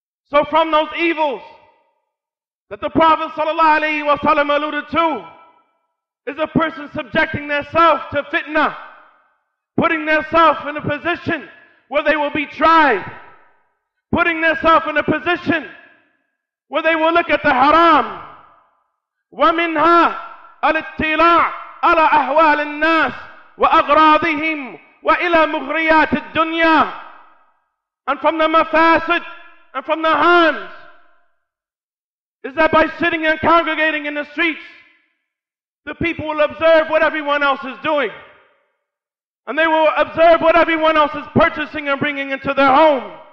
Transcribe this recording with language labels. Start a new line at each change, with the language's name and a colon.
English: So from those evils that the Prophet sallallahu alayhi wa sallam alluded to is a person subjecting themselves to fitna, putting themselves in a position where they will be tried, putting themselves in a position where they will look at the haram.
Arabic: وَمِنْهَا الْإِطِّلَاعُ عَلَى أَحْوَالِ النَّاسِ وأغراضهم وإلى مغريات الدنيا.
English: And from the mafasid and from the harms is that by sitting and congregating in the streets, the people will observe what everyone else is doing. And they will observe what everyone else is purchasing and bringing into their home.